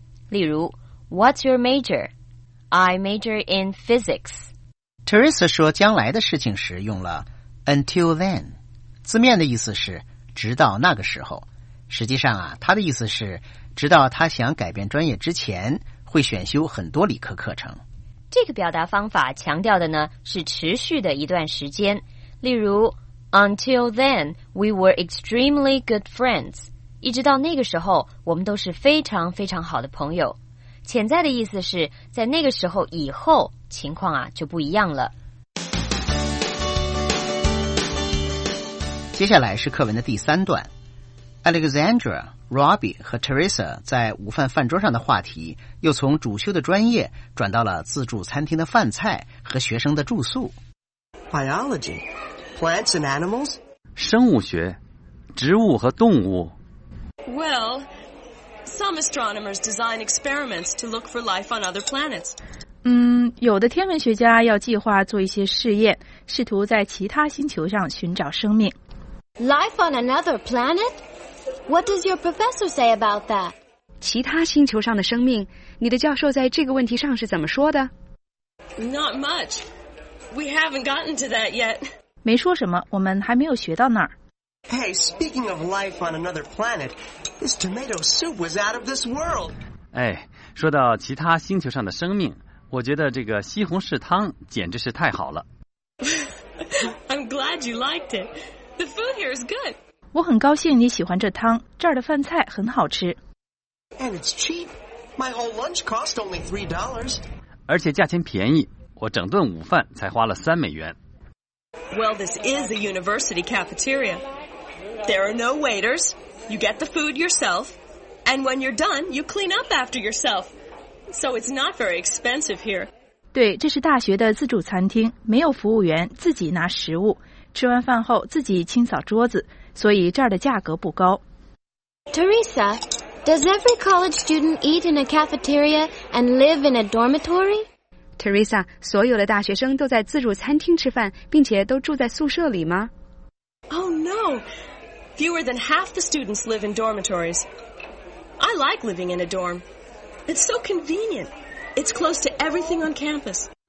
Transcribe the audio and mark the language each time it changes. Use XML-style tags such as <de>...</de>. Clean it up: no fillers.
<zh>例如</zh> <en>，What's your major? I major in physics.</en> <zh>Teresa 说将来的事情时用了</zh> <en>until then，</en> <zh>字面的意思是直到那个时候。实际上啊，他的意思是直到他想改变专业之前，会选修很多理科课程。这个表达方法强调的呢是持续的一段时间。例如</zh> <en>,until then, we were extremely good friends.</en> <zh>一直到那个时候我们都是非常非常好的朋友。潜在的意思是在那个时候以后情况啊就不一样了。接下来是课文的第三段。Alexandra, Robbie 和 Teresa 在午饭饭桌上的话题又从主修的专业转到了自助餐厅的饭菜和学生的住宿。</zh> <en>Biology. Plants and animals?</en> <zh>生物学，植物和动物。</zh> <en>Well, some astronomers design experiments to look for life on other planets.</en> <zh>有的天文学家要计划做一些试验，试图在其他星球上寻找生命。</zh> <en>Life on another planet? What does your professor say about that?</en> <zh>其他星球上的生命，你的教授在这个问题上是怎么说的？</zh> <en>Not much. We haven't gotten to that yet.</en> <zh>没说什么，我们还没有学到那儿。</zh> <en>Hey, speaking of life on another planet, this tomato soup was out of this world.</en> <zh>哎，说到其他星球上的生命，我觉得这个西红柿汤简直是太好了。</zh> <en>I'm glad you liked it. The food here is good.</en> <zh>我很高兴你喜欢这汤，这儿的饭菜很好吃。</zh> <en>And it's cheap. My whole lunch cost only $3.</en> <zh>而且价钱便宜，我整顿午饭才花了$3。</zh> <en>Well, this is a university cafeteria. There are no waiters. You get the food yourself. And when you're done, you clean up after yourself. So it's not very expensive here.</en> <zh>对，这是大学的自助餐厅，没有服务员，自己拿食物，吃完饭后自己清扫桌子，所以这儿的价格不高。</zh> <en>Teresa, does every college student eat in a cafeteria and live in a dormitory?</en> <zh>Teresa, 所有的大学生都在自助餐厅吃饭，并且都住在宿舍里吗</zh> <en>？Oh no, Fewer than half the students live in dormitories. I like living in a dorm. It's so convenient. It's close to everything on campus.</en>